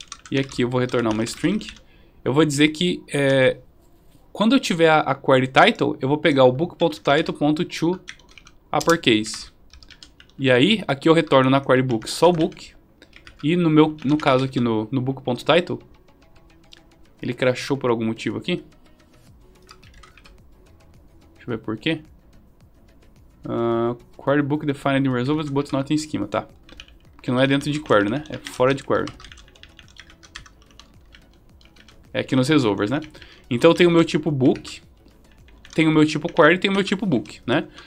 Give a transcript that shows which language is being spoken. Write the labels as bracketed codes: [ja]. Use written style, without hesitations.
[pt] E aqui eu vou retornar uma string. Eu vou dizer que quando eu tiver a query title, eu vou pegar o book.title.to uppercase. E aí, aqui eu retorno na query book só o book. E no caso aqui no book.title, ele crashou por algum motivo aqui. Deixa eu ver por quê. [en] Query book defined in resolvers, but not in schema. [pt] Tá. Porque não é dentro de query, né? É fora de query. É aqui nos resolvers, né? Então eu tenho o meu tipo book, tenho o meu tipo query, tenho o meu tipo book, né?